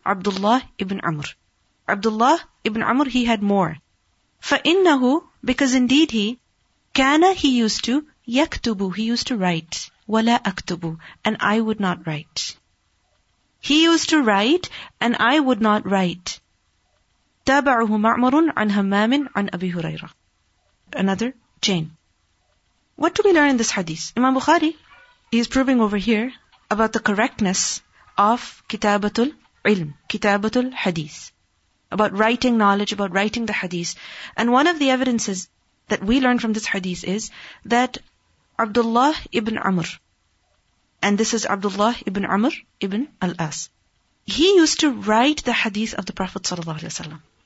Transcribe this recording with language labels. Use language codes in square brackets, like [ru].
[en] Abdullah ibn Amr. Abdullah ibn Amr, he had more. [ar] فَإِنَّهُ, [en] because indeed he, kana he used to, yaktubu, he used to write. [ar] وَلَا أَكْتُبُ, [en] and I would not write. He used to write, and I would not write. [ar] تابعه معمر عن همام عن أبي هريرة. [en] Another chain. What do we learn in this hadith? Imam Bukhari is proving over here about the correctness of kitabatul ilm, kitabatul hadith, about writing knowledge, about writing the hadith. And one of the evidences that we learn from this hadith is that Abdullah ibn Amr, and this is Abdullah ibn Amr ibn al-As, he used to write the hadith of the Prophet sallallahu alaihi wasallam.